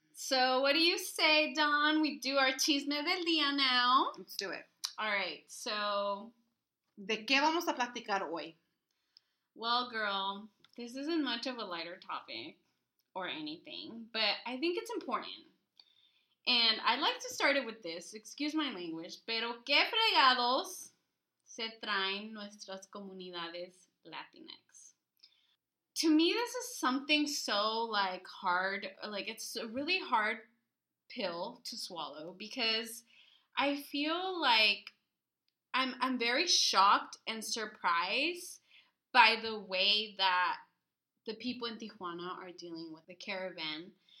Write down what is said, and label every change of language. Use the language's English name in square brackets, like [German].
[English] So what do you say, Don? We do our [Spanish] chisme del día [English] now. Let's do it. All right, so... [Spanish] ¿De qué vamos a platicar hoy? [English] Well, girl, this isn't much of a lighter topic or anything, but I think it's important. And I'd like to start it with this. Excuse my language. [Spanish] Pero qué fregados se traen nuestras comunidades Latinx. [English] To me, this is something so, like, hard. Like, it's a really hard pill to swallow because I feel like I'm very shocked and surprised by the way that the people in Tijuana are dealing with the caravan.